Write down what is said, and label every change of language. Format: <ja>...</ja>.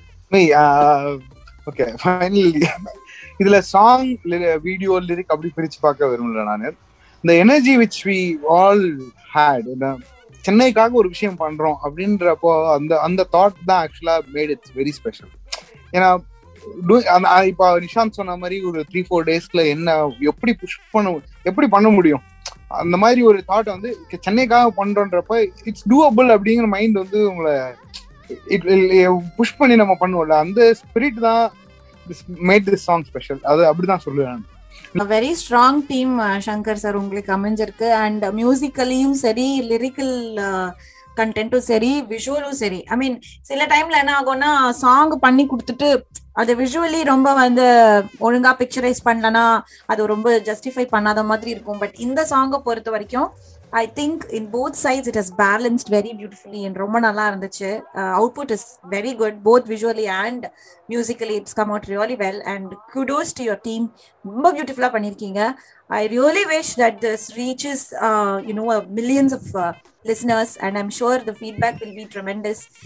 <en>Me okay, finally</en> <ta>idla song video lyric abdi pirich paaka varumla nanu</ta> <en>the energy which we all had in chennai</en> <ta>kaga oru vishayam pandrom abindra po</ta> <en>and the thought da actually made it very special, you know.</en> <ta>இப்ப நிஷாந்த் சொன்ன மாதிரி ஒரு 3-4 டேஸ்ல என்ன எப்படி push பண்ண எப்படி பண்ண முடியும் அந்த மாதிரி ஒரு தாட் வந்து சென்னைக்காக பண்றோன்றப்ப இட்ஸ் டூஅபிள் அப்படிங்கிற மைண்ட் வந்து உங்களை புஷ் பண்ணி நம்ம பண்ணுவோம்ல, அந்த ஸ்பிரிட் தான்</ta> <en>made this song special,</en> <ta>அது அப்படிதான் சொல்லுவேன்.</ta> <en>A very strong team</en> <ta>Shankar sir உங்களுக்கு அமைஞ்சிருக்கு, அண்ட் மியூசிக்கலியும் சரி லிரிக்கல் கண்டென்ட்டும் சரி விஷுவலும் சரி. ஐ மீன் சில டைம்ல என்ன ஆகும்னா சாங் பண்ணி கொடுத்துட்டு அது விஷுவலி ரொம்ப வந்து ஒழுங்கா பிக்சரைஸ் பண்ணலன்னா அது ரொம்ப ஜஸ்டிஃபை பண்ணாத மாதிரி இருக்கும். பட் இந்த சாங்கை பொறுத்த வரைக்கும்</ta> <en>I think in both sides it has balanced very beautifully and</en> <ta>romba nalla irundhuchu.</ta> <en>Output is very good, both visually and musically. It's come out really well, and kudos to your team.</en> <ta>Romba beautifully pannirkeenga.</ta> <en>I really wish that this reaches millions of listeners, and I'm sure the feedback will be tremendous.</en>